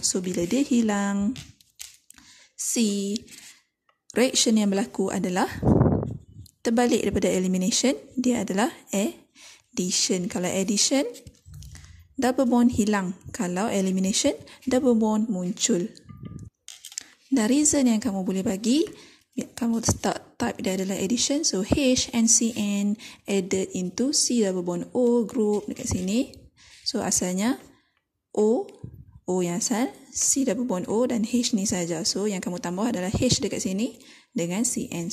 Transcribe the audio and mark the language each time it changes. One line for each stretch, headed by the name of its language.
Malay: So, bila dia hilang, C reaction yang berlaku adalah terbalik daripada elimination. Dia adalah addition. Kalau addition, double bond hilang. Kalau elimination, double bond muncul. Dan reason yang kamu boleh bagi, kamu start type dia adalah addition.
English: So, H and CN added into C double bond O group
Malay: dekat sini. So, asalnya O, O yang asal, C double bond O dan H ni saja. So, yang kamu tambah adalah H dekat sini dengan CN.